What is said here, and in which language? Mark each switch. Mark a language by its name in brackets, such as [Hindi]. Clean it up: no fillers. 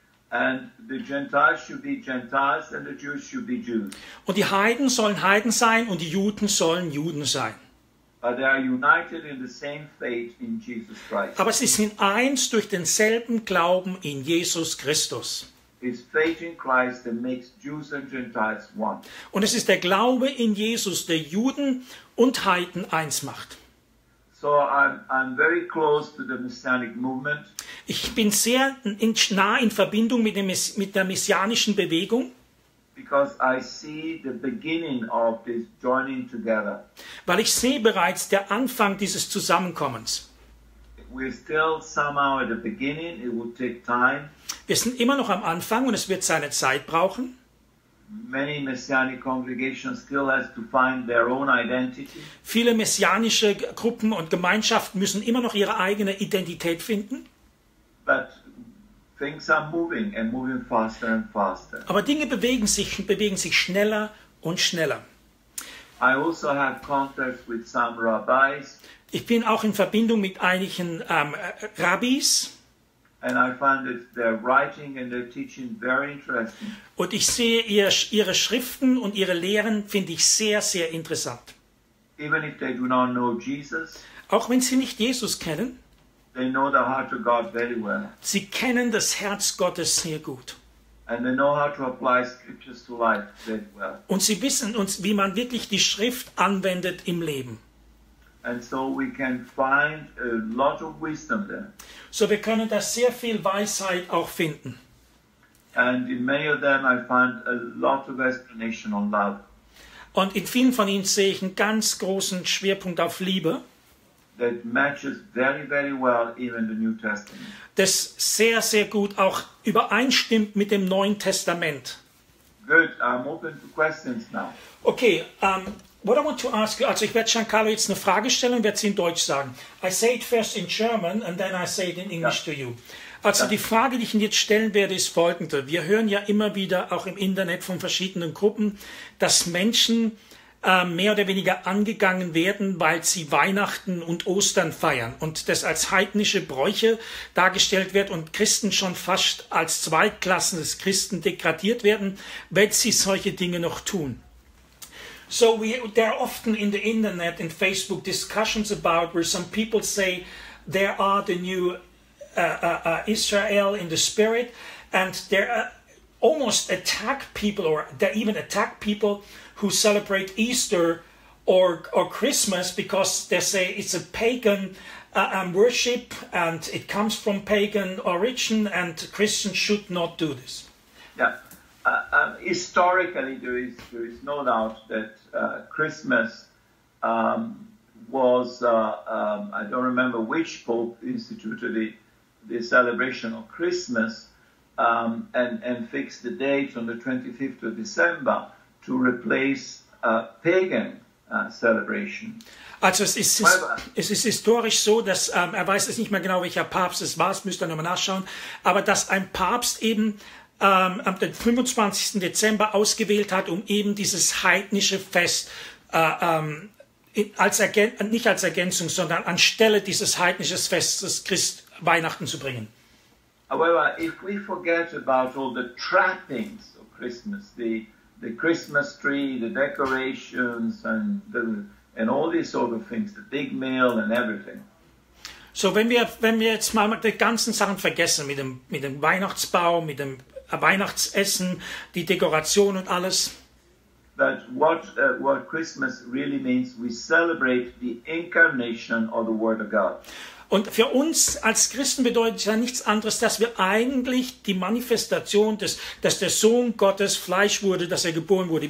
[English] And the Gentiles should be Gentiles and the Jews should be Jews. [German] Und die Heiden sollen Heiden sein und die Juden sollen Juden sein. [English] But they are united in the same faith in Jesus Christ. [German] Aber sie sind eins durch denselben Glauben in Jesus Christus. [English] It's faith in Christ that makes Jews and Gentiles one. [German] Und es ist der Glaube in Jesus, der Juden und Heiden eins macht. [English] So I'm very close to the messianic movement. [German] Ich bin sehr nah in Verbindung mit der messianischen Bewegung. [English] Because I see the beginning of this joining together. [German] Weil ich sehe bereits der Anfang dieses Zusammenkommens. [English] We're still somehow at the beginning. It will take time. [German] Wir sind immer noch am Anfang und es wird seine Zeit brauchen. [English] Many messianic congregations still have to find their own identity. [German] Viele messianische Gruppen und Gemeinschaften müssen immer noch ihre eigene Identität finden. [English] But things are moving and moving faster and faster. [German] Aber Dinge bewegen sich schneller und schneller. [English] I also have contact with some rabbis. [German] Ich bin auch in Verbindung mit einigen Rabbis. [English] And I find that their writing and their teaching very interesting. [German] Und ich sehe ihre Schriften und ihre Lehren finde ich sehr, sehr interessant. [English] Even if they do not know Jesus, [German] auch wenn sie nicht Jesus kennen, [English] they know the heart of God very well. [German] Sie kennen das Herz Gottes sehr gut. [English] And they know how to apply scriptures to life very well. [German] Und sie wissen uns, wie man wirklich die Schrift anwendet im Leben. [English] And so we can find a lot of wisdom there. [German] So wir können da sehr viel Weisheit auch finden. [English] And in many of them I find a lot of explanation on love. [German] Und in vielen von ihnen sehe ich einen ganz großen Schwerpunkt auf Liebe. [English] That matches very, very well even the New Testament. [German] Das sehr, sehr gut auch übereinstimmt mit dem Neuen Testament. [English] Good, I'm open to questions now. Okay, what I want to ask you, [German] also ich werde Giancarlo jetzt eine Frage stellen und werde sie in Deutsch sagen. [English] I say it first in German and then I say it in English to you. [German] Also die Frage, die ich Ihnen jetzt stellen werde, ist folgende. Wir hören ja immer wieder auch im Internet von verschiedenen Gruppen, dass Menschen mehr oder weniger angegangen werden, weil sie Weihnachten und Ostern feiern und das als heidnische Bräuche dargestellt wird und Christen schon fast als zweitklassiges Christen degradiert werden, wenn sie solche Dinge noch tun. [English] So there are often in the internet and Facebook discussions about where some people say there are the new Israel in the spirit, and they almost attack people, or they even attack people who celebrate Easter or Christmas, because they say it's a pagan worship and it comes from pagan origin and Christians should not do this. Yeah. Historically, there is no doubt that Christmas was, I don't remember which Pope instituted the celebration of Christmas and fixed the date on the 25th of December to replace pagan celebration. [German] Also es ist historisch so, dass er weiß es nicht mehr genau, welcher Papst es war, das müsst ihr nochmal nachschauen, aber dass ein Papst eben am 25. Dezember ausgewählt hat, um eben dieses heidnische Fest nicht als Ergänzung, sondern anstelle dieses heidnischen Festes Weihnachten zu bringen. [English] However, if we forget about all the trappings of Christmas, the Christmas tree, the decorations and all these sort of things, the big meal and everything. [German] So wenn wir jetzt mal die ganzen Sachen vergessen mit dem Weihnachtsbaum, mit dem Weihnachtsessen, die Dekoration und alles. [English] That what Christmas really means, we celebrate the incarnation of the Word of God. [German] Und für uns als Christen bedeutet ja nichts anderes, dass wir eigentlich die Manifestation dass der Sohn Gottes Fleisch wurde, dass er geboren wurde.